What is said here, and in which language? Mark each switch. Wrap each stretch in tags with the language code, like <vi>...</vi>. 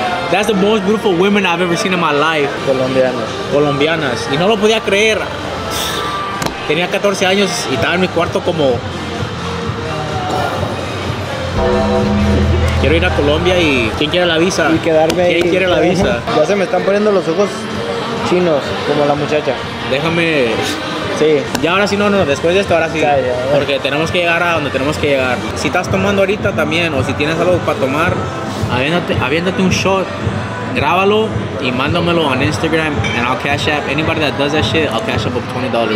<en>That's the most beautiful women I've ever seen in my life.</en> <es>Colombianas. Y no lo podía creer. Tenía 14 años y estaba en mi cuarto como... Quiero ir a Colombia y... ¿Quién quiere la visa? Y quedarme ahí. ¿Quién quiere la visa? Ya se me están poniendo los ojos chinos, como la muchacha. Déjame... Sí. Ya ahora sí, no, después de esto, ahora sí. Ya, ya. Porque tenemos que llegar a donde tenemos que llegar. Si estás tomando ahorita también, o si tienes algo para tomar, aviéndate un shot. Grábalo y mándamelo</es> <en>on Instagram and I'll cash app. Anybody that does that shit, I'll cash up $20.</en>